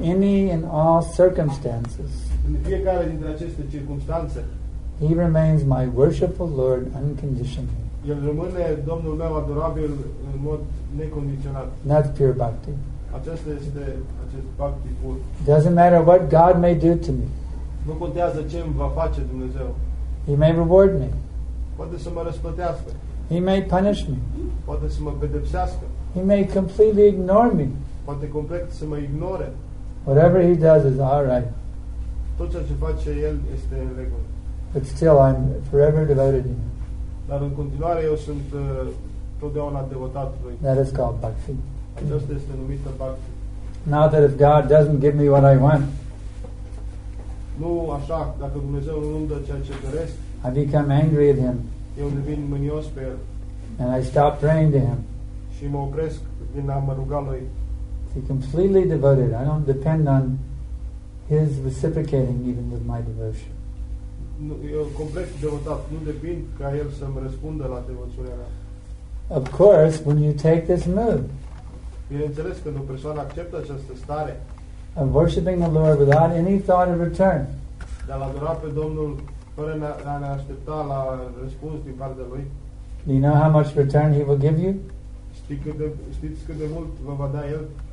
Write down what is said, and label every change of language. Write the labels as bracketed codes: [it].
[en] Any and all circumstances. [ro] În fiecare dintre aceste circumstanțe. [en] He remains my worshipful Lord unconditionally. [ro] El rămâne Domnul meu adorabil în mod necondiționat. [en] That's pure bhakti. [ro] Acesta este acest bhakti pur. [en] Doesn't matter what God may do to me. [ro] Nu contează ce îmi va face Dumnezeu. [en] He may reward me. [ro] Poate să mă răsplătească. [en] He may punish me. [ro] Poate să mă pedepsească. [en] He may completely ignore me. [ro] Poate complet să mă ignore. [en] Whatever he does is all right. [ro] Tot ce face el este în regulă. [en] But still I'm forever devoted to him. [ro] Dar în continuare eu sunt totdeauna devotat lui. [en] That is called bhakti. [ro] Aceasta este numită bhakti. [en] Now that if God doesn't give me what I want, [ro] nu așa, dacă Dumnezeu nu îmi dă ceea ce doresc, [en] I become angry at him. [ro] Eu devin mânios pe el. [en] And I stop praying to him. [ro] Și mă opresc din a mă ruga lui. [en] He completely devoted. I don't depend on his reciprocating even with my devotion. [ro] Nu, eu complet devotat. Nu depind ca el să-mi răspundă la devoțiunea mea. [en] Of course, when you take this mood, [ro] bineînțeles, când o persoană acceptă această stare, [en] of worshipping the Lord without any thought of return. [ro] De a-l adora pe Domnul fără a ne aștepta la răspuns din partea Lui. [en] Do you know how much return He will give you? [ro] Știți cât de mult vă va da El?